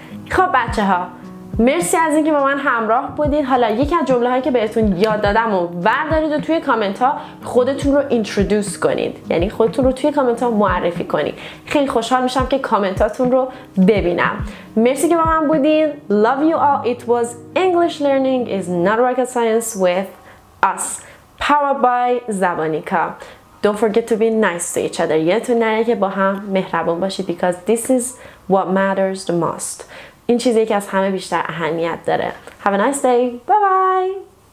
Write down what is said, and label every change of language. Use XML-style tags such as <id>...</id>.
<fa>خب بچه ها، مرسی از اینکه با من همراه بودید. حالا یکی از جمله هایی که بهتون یاد دادم و وردارید و توی کامنت ها خودتون رو اینترودوس کنید، یعنی خودتون رو توی کامنت ها معرفی کنید. خیلی خوشحال میشم که کامنت هاتون رو ببینم. مرسی که با من بودید.</fa> <en>Love you all. It was English learning is not rocket science with us. Powered by زبانیکا. Don't forget to be nice to each other.</en> <fa>یادتون نره که با هم مهربون باشید.</fa> <en>Because this is what matters the most.</en> <fa>این چیزی که از همه بیشتر اهمیت داره.</fa> <en>Have a nice day. Bye bye.</en>